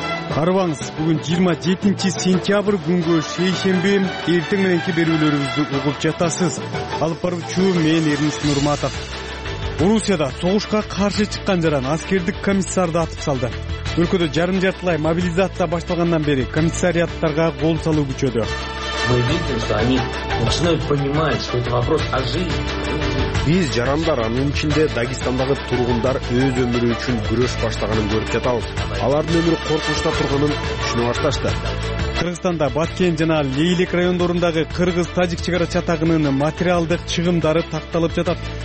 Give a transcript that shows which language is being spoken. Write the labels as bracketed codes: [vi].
[ky] Карбаңыз, бүгүн 27 сентябрь күнгө шейшемби, эртең мененки берүүлөрүбүздү угуп жатасыз. Алып баруучу мен Эрнис Нурматов. Орусияда согушка каршы чыккан жаран аскердик комиссарды атып салды. Өлкөдө жарым жартылай мобилизация башталгандан бери комиссариаттарга кол салуу күчөдү. [ru] Мы видим, что они начинают понимать, что это вопрос о жизни. [ky] Биз жарандар анын ичинде Дагестандагы тургундар өз өмүрү үчүн күрөш баштаганын көрүп жатабыз. Алардын өмүрү коркунучта турганын түшүнүп башташты. Кыргызстанда Баткен жана Лейлек райондорундагы кыргыз-тажик чек ара чатагынын материалдык чыгымдары такталып жатат.